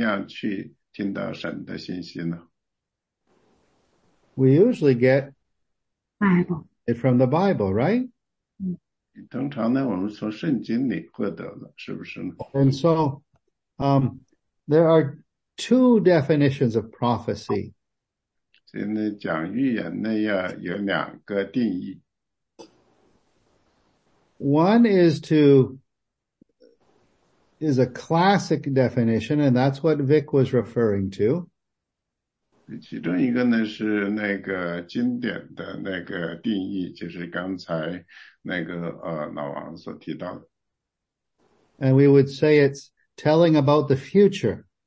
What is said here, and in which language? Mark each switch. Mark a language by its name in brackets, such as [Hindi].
[Chinese] 所以呢，我们不像那个使徒约翰那样从神那里直接收到信息。但是，那么我们怎么样去听到神的信息呢？ [English] We usually get Bible. It from the Bible, right? [Chinese] 通常呢，我们从圣经里获得的，是不是呢？ [English] And so there are two definitions of prophecy. [Chinese] 所以呢，讲预言呢，要有两个定义。 [English] One is a classic definition, and that's what Vic was referring to. [Chinese] 其中一个呢是那个经典的那个定义，就是刚才那个老王所提到的。 [English] And we would say it's telling about the future.